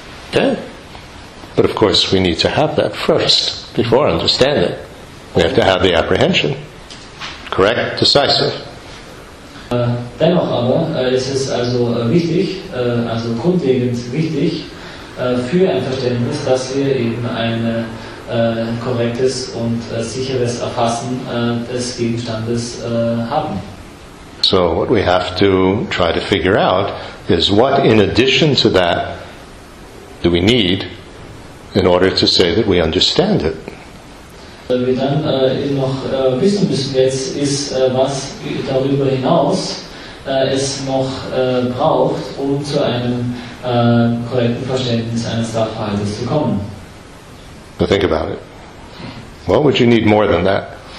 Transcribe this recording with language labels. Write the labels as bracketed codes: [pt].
[en] Okay. But of course we need to have that first, before understanding. We have to have the apprehension. Correct, decisive. [de] Dennoch aber ist es also wichtig, also grundlegend wichtig, für ein Verständnis, dass wir eben ein korrektes und sicheres Erfassen des Gegenstandes haben. [en] So what we have to try to figure out is what in addition to that do we need in order to say that we understand it. [de] Was wir dann noch wissen müssen jetzt, ist, was darüber hinaus es noch braucht, um zu einem korrekten Verständnis eines Sachverhaltes zu kommen. [en] So think about it. What would you need more than that?